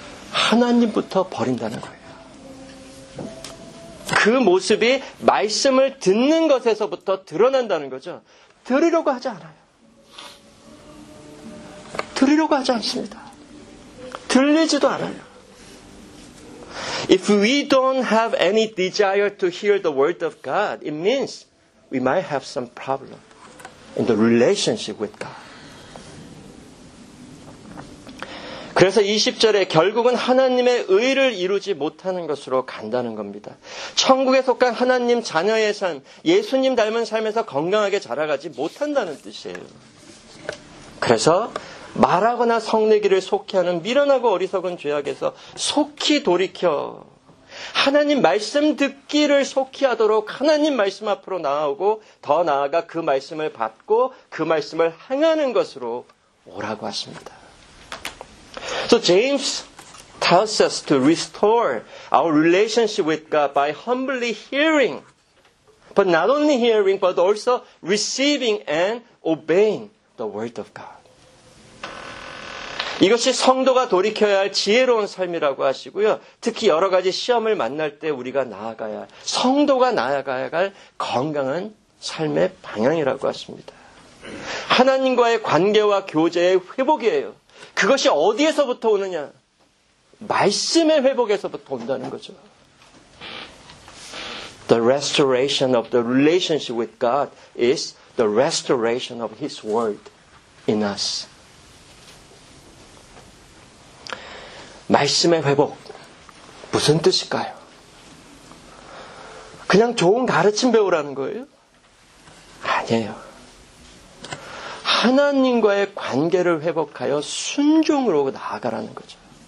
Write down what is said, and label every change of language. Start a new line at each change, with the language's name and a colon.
Korean: 하나님부터 버린다는 거예요. 그 모습이 말씀을 듣는 것에서부터 드러난다는 거죠. 들으려고 하지 않아요. 들으려고 하지 않습니다. 들리지도 않아요.
English: If we don't have any desire to hear the word of God, it means we might have some problem in the relationship with God.
Korean: 그래서 20절에 결국은 하나님의 의를 이루지 못하는 것으로 간다는 겁니다. 천국에 속한 하나님 자녀의 삶, 예수님 닮은 삶에서 건강하게 자라가지 못한다는 뜻이에요. 그래서 말하거나 성내기를 속히 하는 미련하고 어리석은 죄악에서 속히 돌이켜 하나님 말씀 듣기를 속히 하도록 하나님 말씀 앞으로 나아오고 더 나아가 그 말씀을 받고 그 말씀을 행하는 것으로 오라고 하십니다.
English: So James tells us to restore our relationship with God by humbly hearing. But not only hearing, but also receiving and obeying the word of God.
Korean: 이것이 성도가 돌이켜야 할 지혜로운 삶이라고 하시고요. 특히 여러 가지 시험을 만날 때 우리가 나아가야 할, 성도가 나아가야 할 건강한 삶의 방향이라고 하십니다. 하나님과의 관계와 교제의 회복이에요. 그것이 어디에서부터 오느냐? 말씀의 회복에서부터 온다는 거죠.
English: The restoration of the relationship with God is the restoration of His word in us.
Korean: 말씀의 회복, 무슨 뜻일까요? 그냥 좋은 가르침 배우라는 거예요? 아니에요. 하나님과의 관계를 회복하여 순종으로 나아가라는 거죠.